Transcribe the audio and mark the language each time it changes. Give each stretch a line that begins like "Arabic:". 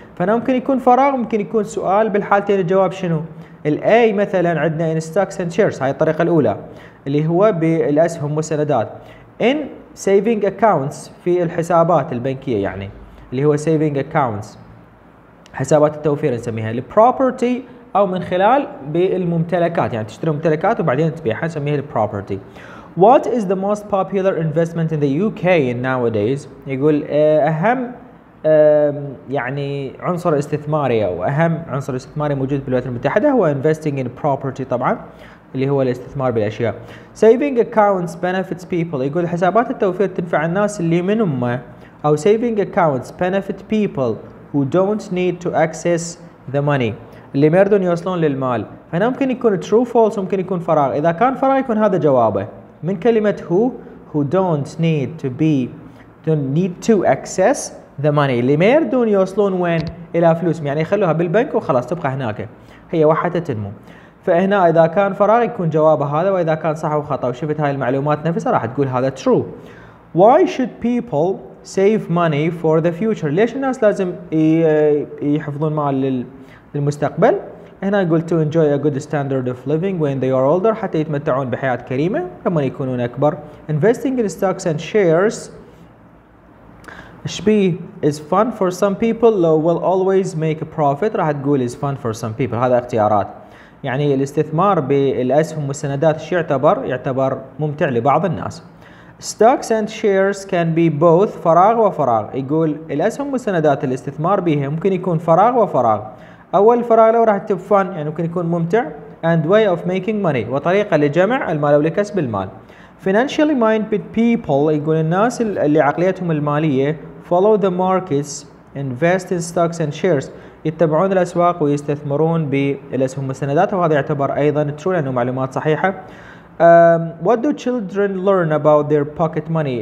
Arabic: فأنا ممكن يكون فراغ, ممكن يكون سؤال, بالحالتين الجواب شنو؟ الA مثلا عندنا
English: in stocks and shares,
Arabic: هاي الطريقة الأولى اللي هو بالأسهم والسندات.
English: In saving accounts,
Arabic: في الحسابات البنكية يعني اللي هو saving accounts, حسابات التوفير نسميها. property أو من خلال بالممتلكات, يعني تشتري ممتلكات وبعدين تبيعها نسميها property.
English: What is the most popular investment in the UK nowadays?
Arabic: يقول أهم يعني عنصر استثماري أو أهم عنصر استثماري موجود بالولايات المتحدة هو
English: investing in property
Arabic: طبعا, اللي هو الاستثمار بالأشياء.
English: Saving accounts benefits people.
Arabic: يقول حسابات التوفير تنفع الناس اللي من أمه, أو
English: saving accounts benefit people who don't need to access the money,
Arabic: اللي ما يردون يوصلون للمال. فهنا ممكن يكون true false, ممكن يكون فراغ. إذا كان فراغ يكون هذا جوابه من كلمة
English: who don't need to access the money,
Arabic: اللي ما يردون يوصلون وين؟ إلى فلوس, يعني يخلوها بالبنك وخلاص تبقى هناك هي وحدة تنمو. فهنا إذا كان فراغ يكون جوابه هذا, وإذا كان صح وخطأ وشفت هاي المعلومات نفسها راح تقول هذا true.
English: Why should people save money for the future?
Arabic: ليش الناس لازم يحفظون مال للمستقبل؟ هنا يقول
English: to enjoy a good standard of living when they are older,
Arabic: حتى يتمتعون بحياة كريمة لما يكونون أكبر.
English: Investing in stocks and shares is fun for some people, though will always make a profit.
Arabic: راح تقول
English: is fun for some people,
Arabic: هذا اختيارات. يعني الاستثمار بالأسهم والسندات شو يعتبر؟ يعتبر ممتع لبعض الناس.
English: Stocks and shares can be both
Arabic: فراغ وفراغ. يقول الأسهم والسندات الاستثمار بها ممكن يكون فراغ وفراغ. أول فراغ لو راح تب fun, يعني ممكن يكون ممتع,
English: and way of making money,
Arabic: وطريقة لجمع المال ولكسب المال.
English: Financially minded people,
Arabic: يقول الناس اللي عقليتهم المالية
English: follow the markets, invest in stocks and shares,
Arabic: يتبعون الأسواق ويستثمرون بالأسهم والسندات, وهذا يعتبر أيضا true لأنه معلومات صحيحة.
English: What do children learn about their pocket money?